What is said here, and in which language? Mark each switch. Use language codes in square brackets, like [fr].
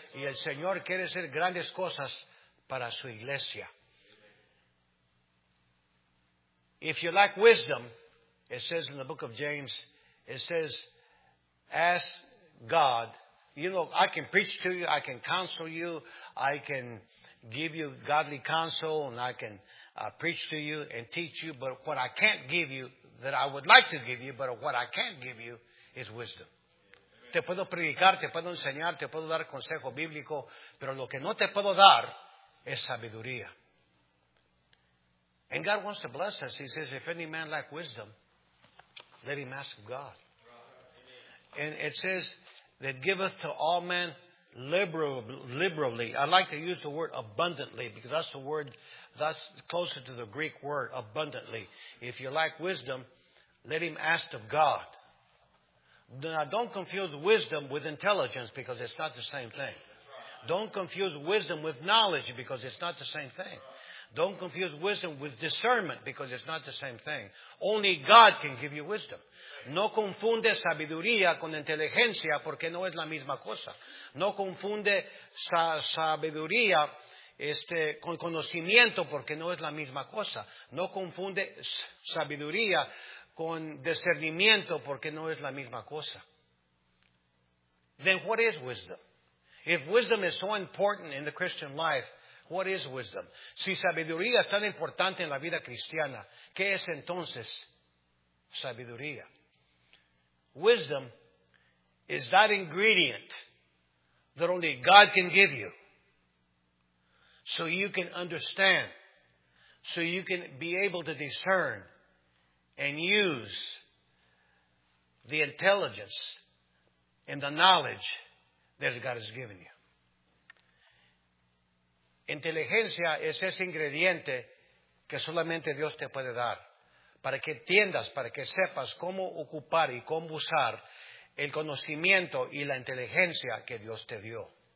[es] Y el Señor quiere hacer grandes cosas para su iglesia. [en] If you lack wisdom, it says in the book of James, it says, ask God. You know, I can preach to you, I can counsel you, I can give you godly counsel, and I can preach to you and teach you, but what I can't give you, that I would like to give you, but what I can't give you, is wisdom. [es] Te puedo predicar, te puedo enseñar, te puedo dar consejo bíblico, pero lo que no te puedo dar es sabiduría. [en] And God wants to bless us. He says, if any man lack wisdom, let him ask of God. And it says, that giveth to all men liberally. I like to use the word abundantly, because that's the word that's closer to the Greek word, abundantly. If you lack wisdom, let him ask of God. Now, don't confuse wisdom with intelligence, because it's not the same thing. Don't confuse wisdom with knowledge, because it's not the same thing. Don't confuse wisdom with discernment, because it's not the same thing. Only God can give you wisdom. [es] No confunde sabiduría con inteligencia, porque no es la misma cosa. No confunde sabiduría con conocimiento, porque no es la misma cosa. No confunde sabiduría con discernimiento, porque no es la misma cosa. [en] Then what is wisdom? If wisdom is so important in the Christian life, what is wisdom? [es] Si sabiduría es tan importante en la vida cristiana, ¿qué es entonces sabiduría? [en] Wisdom is that ingredient that only God can give you, so you can understand so you can be able to discern and use the intelligence and the knowledge that God has given you. [es] Inteligencia es ese ingrediente que solamente Dios te puede dar para que entiendas, para que sepas cómo ocupar y cómo usar el conocimiento y la inteligencia que Dios te dio.